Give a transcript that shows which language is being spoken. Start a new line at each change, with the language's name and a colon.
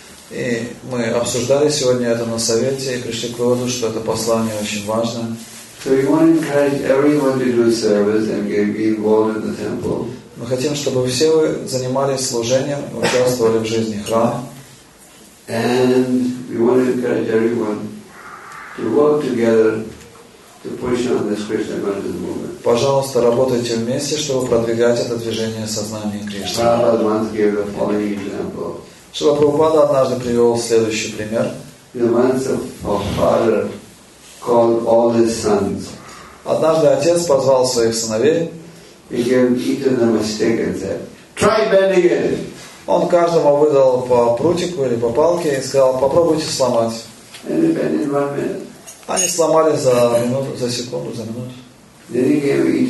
Russian: И мы обсуждали сегодня это на совете и пришли к выводу, что это послание очень важно. Мы хотим, чтобы все вы занимались служением, участвовали в жизни храма.
English: And we want to encourage everyone to work together to push on this Krishna consciousness movement.
Russian: Пожалуйста, работайте вместе, чтобы продвигать это движение сознания Кришны.
English: Prabhupada once gave the following example.
Russian: Шрила Прабхупада однажды привел следующий пример.
English: The once a father called all his sons.
Russian: Однажды отец позвал своих сыновей.
English: He gave each of them a stick and said, "Try bending it."
Russian: Он каждому выдал по прутику или по палке и сказал, попробуйте сломать. Они сломали за минуту, за секунду, за минуту.